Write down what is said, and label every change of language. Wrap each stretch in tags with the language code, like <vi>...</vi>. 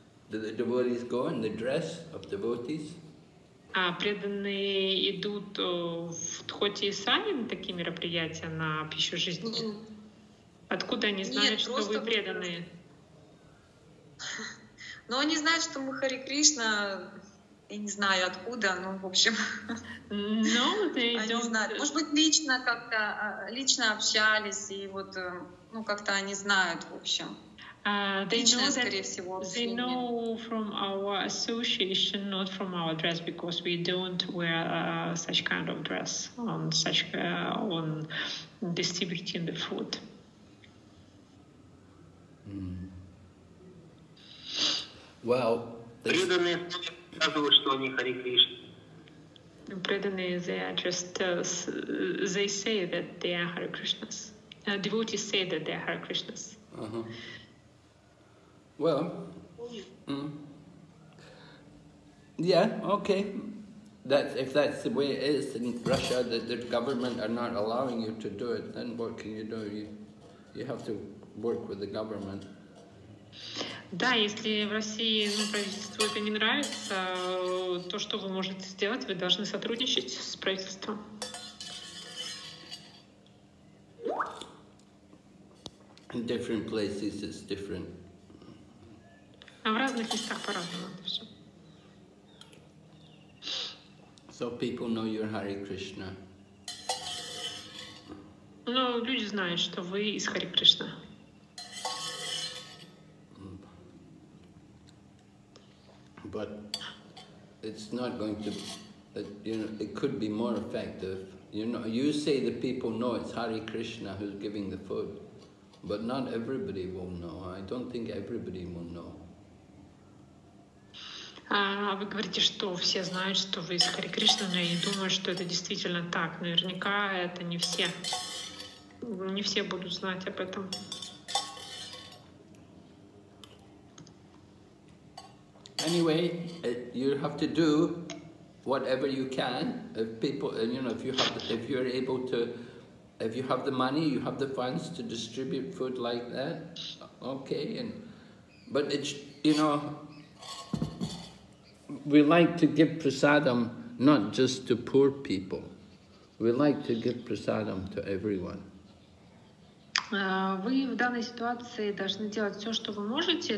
<en>Do the devotees go in the dress of devotees?</en> <ru>Преданные идут хоть и сами на такие мероприятия, на пищу жизни. Нет. Откуда они знают, нет, что вы преданные? Ну, они знают, что мы Хари Кришна, я не знаю откуда, ну, в общем. Ну, ты идёшь. Может быть, лично как-то, лично общались и вот... Ну, как-то они знают, в общем. Лично, скорее всего, общение.</ru> <en>They know from our association, not from our dress, because we don't wear such kind of dress on such on distributing the food. Well,</en> <ru>преданные показывают, что они Хари Кришна. Преданные,</ru> <en>they are just, they say that they are Hare Krishnas. Devotees say that they are Hare Krishnas. Uh-huh. Well, Yeah, okay. That if that's the way it is in Russia, that the government are not allowing you to do it, then what can you do? You have to work with the government.</en> <ru>Да, если в России, ну, правительству это не нравится, то что вы можете сделать? Вы должны сотрудничать с правительством.</ru> <en>In different places it's different.</en> <ru>А в разных местах по-разному это все.</ru> <en>So people know you're Hare Krishna.</en> <ru>Ну, люди знают, что вы из Hare Krishna.</ru> <en>But it's not going to, you know, it could be more effective. You know, you say the people know it's Hare Krishna who's giving the food, but not everybody will know. I don't think everybody will know.</en> <ru>Вы говорите, что все знают, что вы из Hare Krishna, но я не думаю, что это действительно так. Наверняка это не все. Не все будут знать об этом.</ru> <en>Anyway, you have to do whatever you can. If people, you know, if you have the money, you have the funds to distribute food like that, okay. But it's, you know, we like to give prasadam not just to poor people. We like to give prasadam to everyone.</en> <ru>Вы в данной ситуации должны делать все, что вы можете.</ru>